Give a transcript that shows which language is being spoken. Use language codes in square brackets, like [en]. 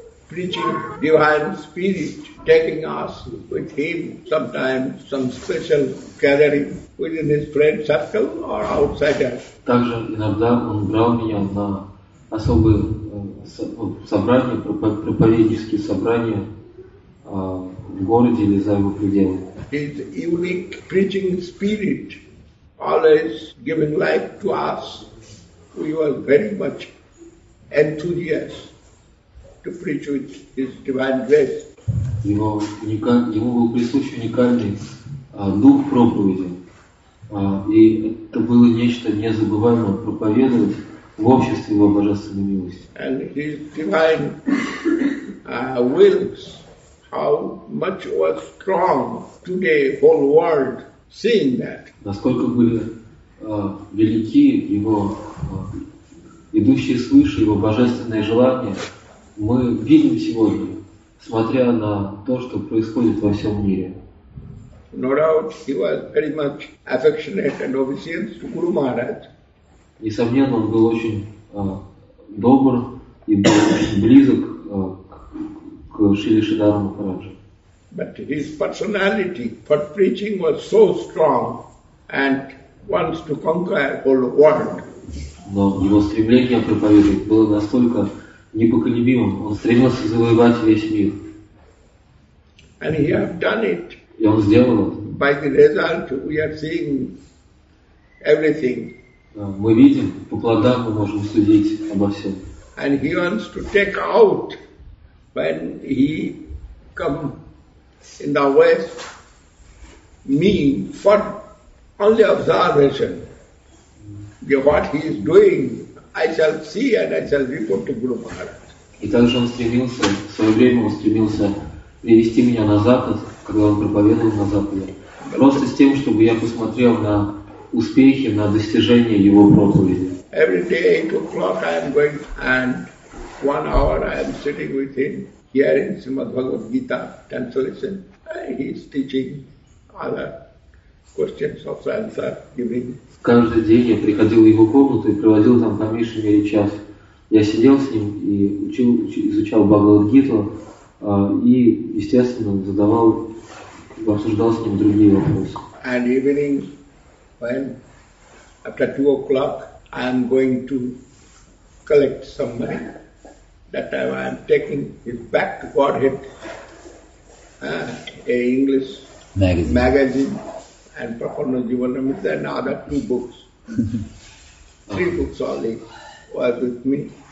[en] Preaching divine spirit, taking us with him sometimes some special gathering within his friend circle or outsider. [ru] Также иногда он брал меня на особые собрания, проповеднические собрания в городе или за его пределами. [en] His unique preaching spirit, always giving life to us, we were very much enthusiastic. To preach with His divine grace. [ru] Ему был присущ уникальный дух проповеди, и это было нечто незабываемое проповедовать в обществе Его божественной милости. [en] And His divine wills, how much was strong today, whole world seeing that. [ru] Насколько были велики Его идущие свыше Его божественные желания. Мы видим сегодня, смотря на то, что происходит во всем мире. [en] No doubt, he was very much affectionate and obedient to Guru Maharaj. [ru] Несомненно, он был очень добр и был очень близок к Шриле Шридхару Махараджу. [en] But his personality for preaching was so strong and wants to conquer whole world. [ru] Но его стремление проповедовать было настолько непоколебимым. Он стремился завоевать весь мир. [en] And he have done it. [ru] И он сделал это. [en] By the result we are seeing everything. [ru] Мы видим, по плодам мы можем судить обо всем. [en] And he wants to take out when he come in the west me for only observation. What he is doing, I shall see and I shall report to Guru Maharaj. [ru] И также он стремился, в свое время он стремился привести меня на запад, когда он проповедовал на западе. Просто с тем, чтобы я посмотрел на успехи, на достижения его проповеди. [en] Every day at 8 o'clock I am going and 1 hour I am sitting with him hearing Srimad Bhagavad Gita translation. He is teaching other questions of answer giving. [ru] Каждый день я приходил в его комнату и проводил там по меньшей мере час. Я сидел с ним и изучал Бхагавад Гиту и, естественно, задавал, обсуждал с ним другие вопросы. [en] And evening, when after 2 o'clock I am going to collect some money. That time I am taking it back to Godhead, a English magazine. And Prapanna Jivanamrita and other 2 books. 3 books only was with me.